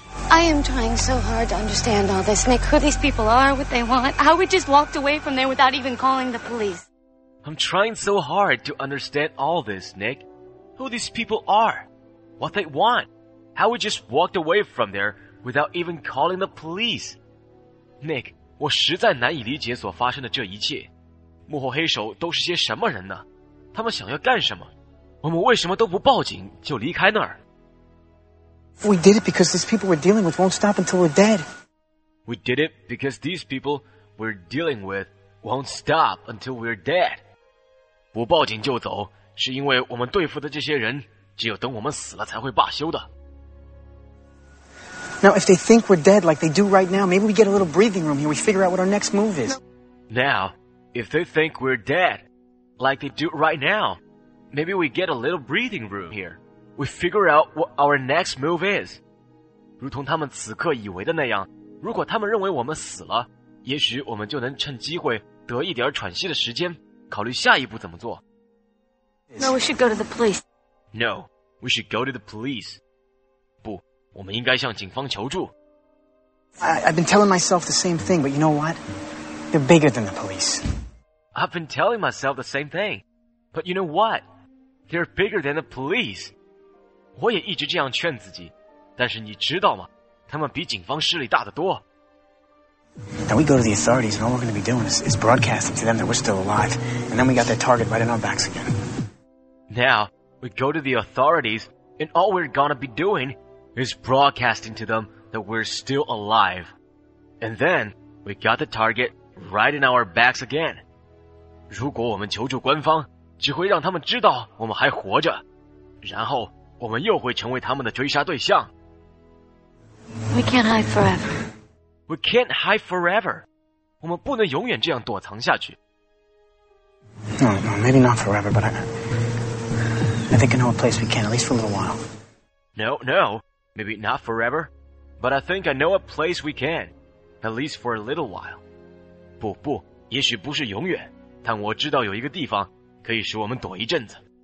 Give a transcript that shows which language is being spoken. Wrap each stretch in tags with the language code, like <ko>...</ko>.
<en>I am trying so hard to understand all this, Nick. Who these people are, what they want, how we just walked away from there without even calling the police. I'm trying so hard to understand all this, Nick. Who these people are, what they want, how we just walked away from there without even calling the police.</en> <zh>Nick, 我实在难以理解所发生的这一切。幕后黑手都是些什么人呢？他们想要干什么？我们为什么都不报警就离开那儿？</zh> <en>We did it because these people we're dealing with won't stop until we're dead. We did it because these people we're dealing with won't stop until we're dead.</en> <zh>不报警就走，是因为我们对付的这些人，只有等我们死了才会罢休的。</zh> <en>Now, if they think we're dead like they do right now, maybe we get a little breathing room here. We figure out what our next move is. Now, if they think we're dead like they do right now, maybe we get a little breathing room here. We figure out what our next move is.</en> <zh>如同他们此刻以为的那样，如果他们认为我们死了，也许我们就能趁机会得一点喘息的时间，考虑下一步怎么做。</zh> <en>No, we should go to the police. No, we should go to the police.</en> <zh>不，我们应该向警方求助。</zh> <en>I've been telling myself the same thing, but you know what? They're bigger than the police. I've been telling myself the same thing, but you know what? They're bigger than the police.</en> <zh>我也一直这样劝自己，但是你知道吗？他们比警方势力大得多。</zh> <en>Now we go to the authorities, and all we're going to be doing is broadcasting to them that we're still alive, and then we got their target right in our backs again. Now we go to the authorities, and all we're going to be doing is broadcasting to them that we're still alive, and then we got the target right in our backs again.</en> <zh>如果我们求助官方，只会让他们知道我们还活着，然后。我们又会成为他们的追杀对象。</zh> <en>We can't hide forever. We can't hide forever.</en> <zh>我们不能永远这样躲藏下去。</zh> <en>No, maybe not forever, but I think I know a place we can, at least for a little while. No, maybe not forever, but I think I know a place we can, at least for a little while.</en> <zh>不，也许不是永远，但我知道有一个地方可以使我们躲一阵子。</zh>